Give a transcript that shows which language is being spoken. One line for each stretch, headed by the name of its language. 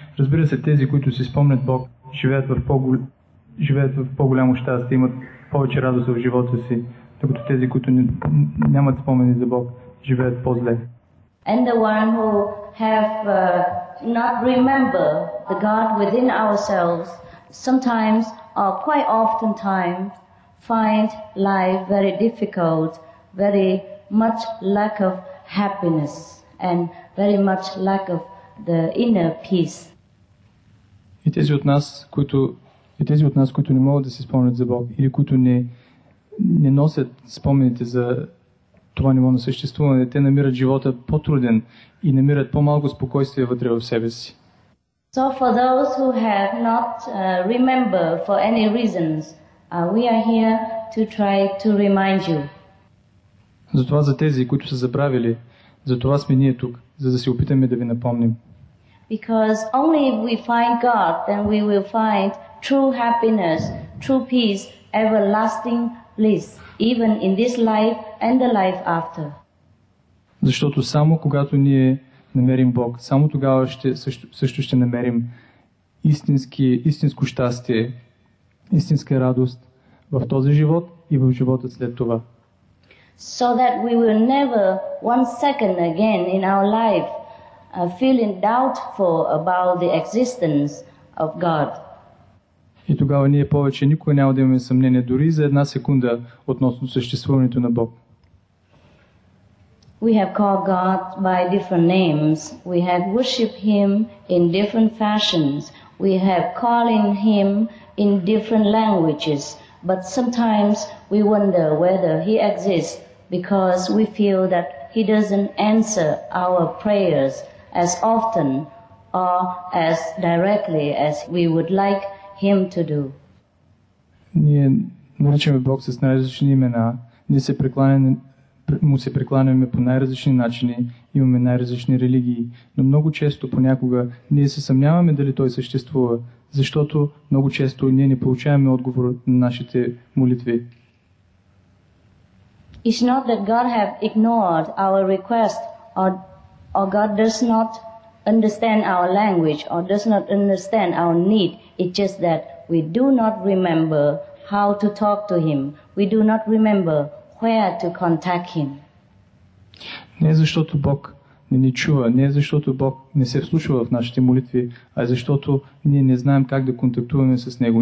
Bulgarian: Разбира се, тези, които си спомнят Бог, живеят в по-голямо щастие, имат повече радост в живота си, докато тези, които нямат спомени за Бог, живеят по-зле.
English: And the one who have not remember the God within ourselves, sometimes or quite often times find life very difficult, very much lack of happiness and very much lack of the inner peace.
Bulgarian: И тези от нас, които не могат да се спомнят за Бог, или които не носят спомените за това ниво на съществуване, те намират живота по-труден и намират по-малко спокойствие вътре в себе си.
English: So for those who have not remember for any reasons, we are here to try to remind you.
Bulgarian: Затова за тези, които са забравили, затова сме ние тук, за да се опитаме да ви напомним.
English: Because only if we find God, then we will find true happiness, true peace, everlasting bliss, even in this life and the life after.
Bulgarian: Защото само когато ние намерим Бог, само тогава също ще намерим истинско щастие, истинска радост в този живот и в живота след това.
English: So that we will never one second again in our life feeling doubtful about the existence of God.
Bulgarian: И тогава ние повече никога няма да имаме съмнение дори за една секунда относно съществуването на Бог.
English: We have called God by different names. We have worshiped Him in different fashions. We have calling Him in different languages. But sometimes we wonder whether He exists because we feel that He doesn't answer our prayers as often or as directly as we would like Him to do.
Bulgarian: Ние наричаме Бог с най-различни имена. Ние му се прекланяме по най-различни начини. Имаме най-различни религии. Но много често, понякога, ние се съмняваме дали Той съществува, защото много често ние не получаваме отговор на нашите молитви.
English: It's not that God has ignored our request, or God does not understand our language, or does not understand our need. It's just that we do not remember how to talk to Him. We do not remember where to contact Him.
Bulgarian: Не защото Бог не ни чува, не защото Бог не се вслушва в нашите молитви, а защото ние не знаем как да контактуваме с Него.